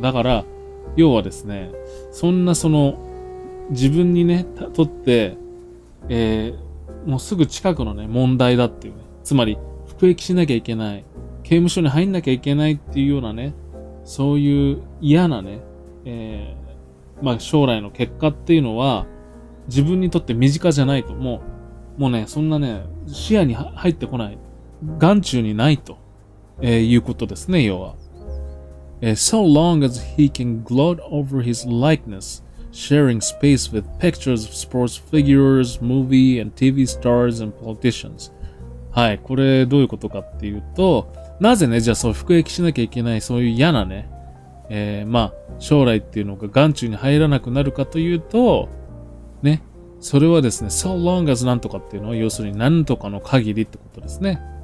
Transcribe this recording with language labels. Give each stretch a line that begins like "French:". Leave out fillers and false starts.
Japanese: だから要はですね、そんなその自分にねとって、もうすぐ近くのね問題だっていう、ね、つまり服役しなきゃいけない、刑務所に入んなきゃいけないっていうようなね、そういう嫌なね、まあ将来の結果っていうのは自分にとって身近じゃないと、もうね、そんなね、視野に入ってこない、眼中にないと、いうことですね、要は。
English: So long as he can gloat over his likeness, sharing space with pictures of sports figures, movie and TV stars and politicians.
Japanese: はい、これどういうことかっていうと、なぜね、じゃあそう服役しなきゃいけない、そういう嫌なね、まあ、将来っていうのが眼中に入らなくなるかというと、ね。それはですね、 so long as 何とかっていうのは、要するに何とかの限りってことですね。